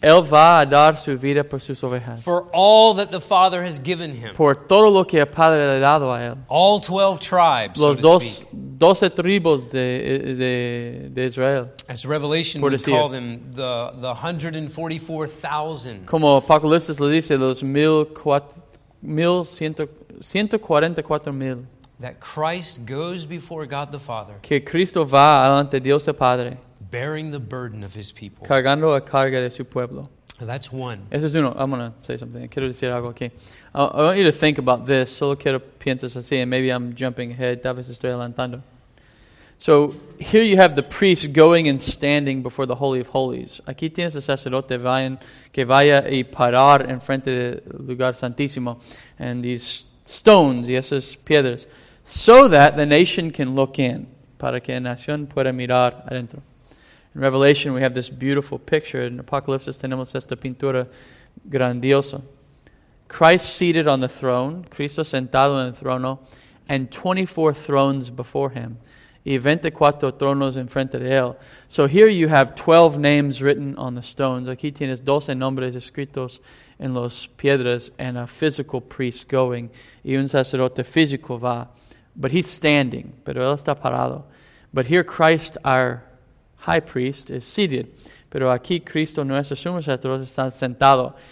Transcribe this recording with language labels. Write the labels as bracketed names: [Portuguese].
[Spanish] Él va a dar su vida por sus ovejas. [English] For all that the Father has given him. [Spanish] Por todo lo que el Padre le ha dado a él. [English] All 12 tribes, [Spanish] los [English] so to speak. [Spanish] Los 12 tribus de Israel. [English] As Revelation would call them, the 144,000. [Spanish] Como Apocalipsis le dice, los 144,000. [English] That Christ goes before God the Father. [Spanish] Que Cristo va ante Dios el Padre. [English] Bearing the burden of his people. [Spanish] Cargando la carga de su pueblo. [English] That's one. [Spanish] Eso es uno. [English] I'm going to say something. [Spanish] Quiero decir algo aquí. [English] I want you to think about this. [Spanish] Solo quiero pienses así. [English] And maybe I'm jumping ahead. [Spanish] Tal vez estoy adelantando. [English] So here you have the priest going and standing before the Holy of Holies. [Spanish] Aquí tienes el sacerdote que vaya y parar en frente del lugar santísimo. [English] And these stones, [Spanish] y esas piedras. [English] So that the nation can look in. [Spanish] Para que la nación pueda mirar adentro. [English] In Revelation, we have this beautiful picture. In Apocalypse, [Spanish] tenemos esta pintura grandiosa. [English] Christ seated on the throne. [Spanish] Cristo sentado en el trono. [English] And 24 thrones before him. [Spanish] Y 24 tronos en frente de él. [English] So here you have 12 names written on the stones. [Spanish] Aquí tienes 12 nombres escritos en los piedras [English] and a physical priest going. [Spanish] Y un sacerdote físico va. [English] But he's standing. [Spanish] Pero él está parado. [English] But here Christ, our high priest, is seated. [Spanish] Pero aquí Cristo, nuestro sumo sacerdote, está sentado.